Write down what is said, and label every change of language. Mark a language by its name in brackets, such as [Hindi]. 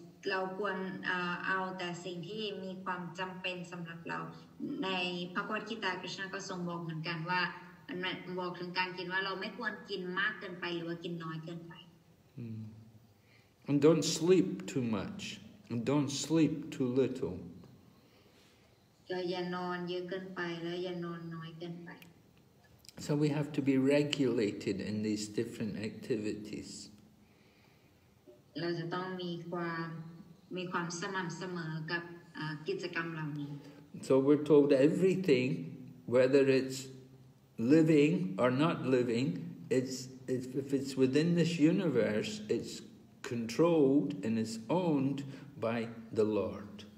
[Thai] เราควรเอาแต่สิ่งที่มีความจำเป็นสำหรับเราในพระกัฏฐกีตาคริสต์ก็ทรงบอกเหมือนกันว่าบอกถึงการกินว่าเราไม่ควรกินมากเกินไปหรือว่ากินน้อยเกินไป [English] And don't sleep too much and don't sleep too little [Thai] อย่านอนเยอะเกินไปและอย่านอนน้อยเกินไป [English] So we have to be regulated in these different activities [Thai] เราจะต้องมีความสม่ำเสมอกับกิจกรรมเหล่านี้ [English] So we're told everything, whether it's living or not living, if it's within this universe, it's controlled and it's owned by the Lord.